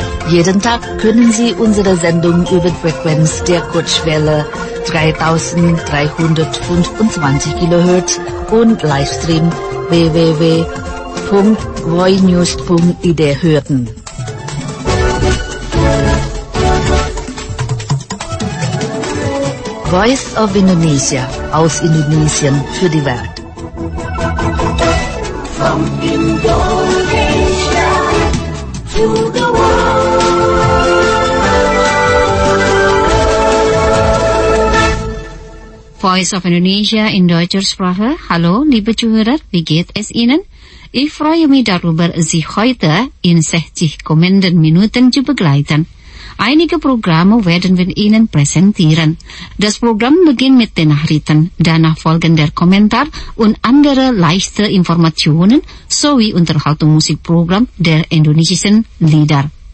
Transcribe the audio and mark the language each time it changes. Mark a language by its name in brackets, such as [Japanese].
[German] Jeden Tag können Sie unsere Sendung über Frequenz der Kurzwelle 3325 kHz und Livestream www.voinews.id hören. Voice of Indonesia aus Indonesien für die Welt. [English] From Indonesia to the world. [German] Voice of Indonesia in deutscher Sprache. Hallo, liebe Zuhörer, wie geht es Ihnen? Ich freue mich darüber, Sie heute in 60 kommenden Minuten zu begleiten. Einige Programme werden wir Ihnen präsentieren. Das Programm beginnt mit den Nachrichten, danach folgen der Kommentar und andere leichte Informationen sowie Unterhaltungsmusikprogramm der indonesischen Lieder.